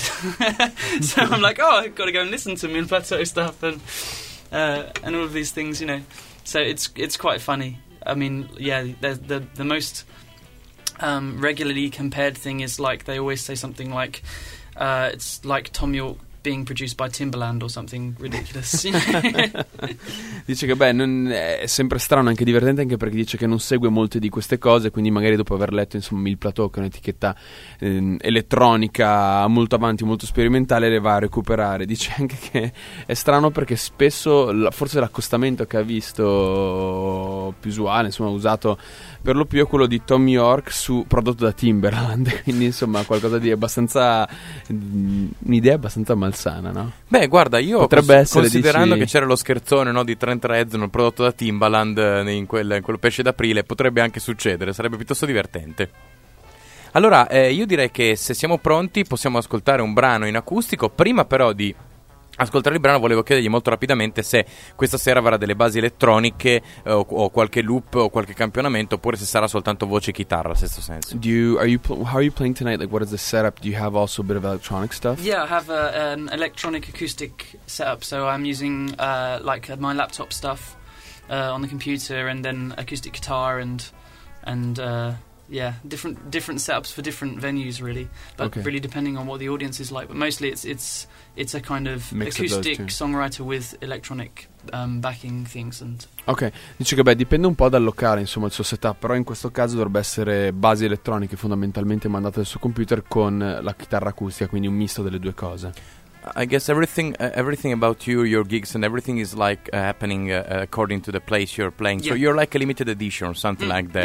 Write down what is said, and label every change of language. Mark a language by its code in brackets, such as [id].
[en] So I'm like, oh, I've got to go and listen to Mill Plateau stuff and all of these things, you know. So it's quite funny. I mean, yeah, the most regularly compared thing is like they always say something like it's like Tom York being produced by Timbaland or something ridiculous. [it] Dice che beh, non è sempre strano, anche divertente, anche perché dice che non segue molte di queste cose, quindi magari dopo aver letto, insomma, Mill Plateau, che è un'etichetta elettronica molto avanti, molto sperimentale, le va a recuperare. Dice anche che è strano perché spesso forse l'accostamento che ha visto più usuale, insomma, usato per lo più, è quello di Thom Yorke prodotto da Timberland, quindi insomma qualcosa di abbastanza, un'idea abbastanza malsana, no? Beh, guarda, io potrebbe essere, considerando, dici, che c'era lo scherzone, no, di Trent Reznor prodotto da Timbaland in quel Pesce d'Aprile, potrebbe anche succedere, sarebbe piuttosto divertente. Allora, io direi che se siamo pronti possiamo ascoltare un brano in acustico. Prima però di ascoltare il brano volevo chiedergli molto rapidamente se questa sera avrà delle basi elettroniche o qualche loop o qualche campionamento, oppure se sarà soltanto voce e chitarra, nel stesso senso. [en] How are you playing tonight? Like, what is the setup? Do you have also a bit of electronic stuff? Yeah, I have an electronic acoustic setup, so I'm using like my laptop stuff on the computer, and then acoustic guitar and yeah, different setups for different venues, really. But okay. really depending on what the audience is like. But mostly it's a kind of mix acoustic of songwriter with electronic backing things. And [it] ok, dice che beh, dipende un po' dal locale, insomma, il suo setup. Però in questo caso dovrebbe essere basi elettroniche fondamentalmente mandate dal suo computer con la chitarra acustica, quindi un misto delle due cose. [en] I guess everything about you, your gigs and everything is like happening according to the place you're playing. Yeah. So you're like a limited edition or something like that.